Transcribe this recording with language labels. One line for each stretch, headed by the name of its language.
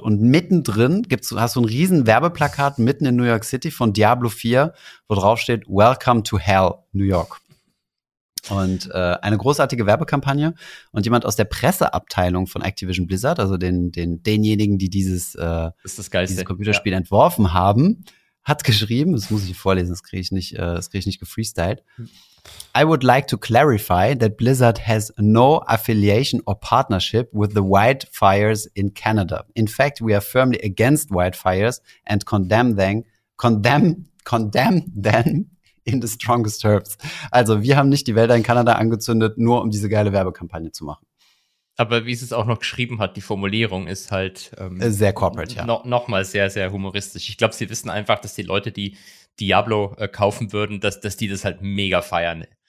German: Und mittendrin hast du ein riesen Werbeplakat mitten in New York City von Diablo 4, wo drauf steht, Welcome to Hell, New York. Und eine großartige Werbekampagne und jemand aus der Presseabteilung von Activision Blizzard, also denjenigen, die dieses Computerspiel entworfen haben, hat geschrieben, das muss ich vorlesen, das kriege ich nicht gefreestyled.
English: I would like to clarify that Blizzard has no affiliation or partnership with the wildfires in Canada. In fact, we are firmly against wildfires and condemn them in the strongest terms.
German: Also, wir haben nicht die Wälder in Kanada angezündet, nur um diese geile Werbekampagne zu machen. Aber wie es auch noch geschrieben hat, die Formulierung ist halt sehr corporate, ja. Nochmal sehr, sehr humoristisch. Ich glaube, sie wissen einfach, dass die Leute, die Diablo kaufen würden, dass die das halt mega feiern.